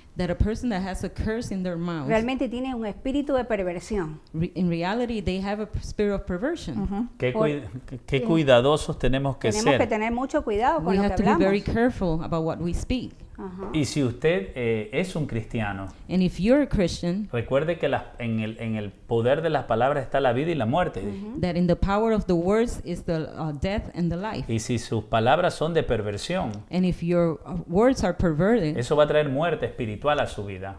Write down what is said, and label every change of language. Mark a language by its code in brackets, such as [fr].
[en] That a person that has a curse in their mouth. [es] Realmente tiene un espíritu de perversión. [en] In reality, they have a spirit of perversion. [es] Uh-huh. Qué cuidadosos tenemos que tenemos ser. Tenemos que tener mucho cuidado con [en] we [es] lo que hablamos. [en] We have to be very careful about what we speak. [es] Y si usted es un cristiano, [en] and if you're a Christian, [es] recuerde que en el poder de las palabras está la vida y la muerte. Uh-huh. [en] That in the power of the words is the death and the life. [es] Y si sus palabras son de perversión, [en] and if your words are perverted, [es] eso va a traer muerte espiritual a su vida.